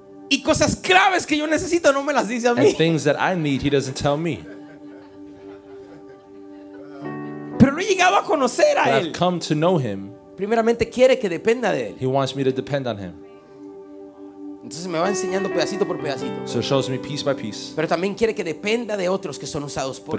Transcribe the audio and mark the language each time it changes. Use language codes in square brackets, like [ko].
[es] y cosas claves que yo necesito no me las dice a mí. [en] And things that I need, he doesn't tell me. [es] Pero no he llegado a conocer a él. [en] I've come to know him. [es] Primeramente quiere que dependa de él. [en] He wants me to depend on him. [es] Entonces me va enseñando pedacito por pedacito. [en] So shows me piece by piece. [es] Pero también quiere que dependa de otros que son usados por él.